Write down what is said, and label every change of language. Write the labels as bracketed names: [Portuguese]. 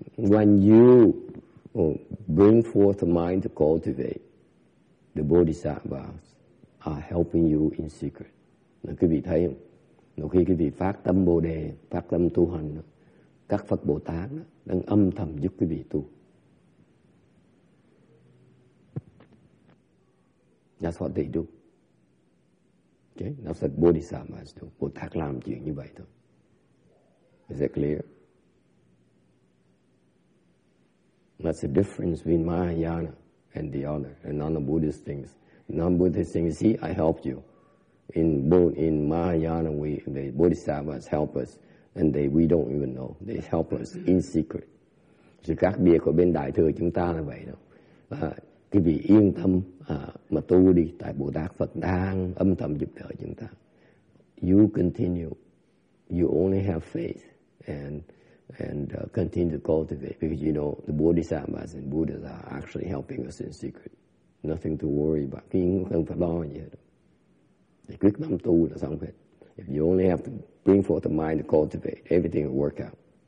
[English] When you bring forth the mind to cultivate, the bodhisattvas are helping you in secret. [Vietnamese] Nên quý vị thấy không? Nếu khi quý vị phát tâm Bồ Đề, phát tâm tu hành, các Phật Bồ Tát đang âm thầm giúp quý vị tu. [English] That's what they do. Okay? That's what bodhisattvas do. [Vietnamese] Bồ Tát làm chuyện như vậy thôi. [English] Is that clear? That's the difference between Mahayana and the other, and non-Buddhist things. Non-Buddhist things, see, I helped you. In Mahayana, the bodhisattvas help us, and we don't even know. They help us in secret. [Vietnamese] Sự khác biệt của bên Đại Thừa chúng ta là vậy đó. Quý vị yên tâm mà tu đi, tại Bồ Tát Phật đang âm thầm giúp đỡ chúng ta. [English] You continue. You only have faith and continue to cultivate, because you know the bodhisattvas and Buddhas are actually helping us in secret. Nothing to worry about. [Vietnamese] Quý vị không phải lo gì hết. Thì quyết tâm tu là xong hết. [English] If you only have to bring forth the mind to cultivate, everything will work out.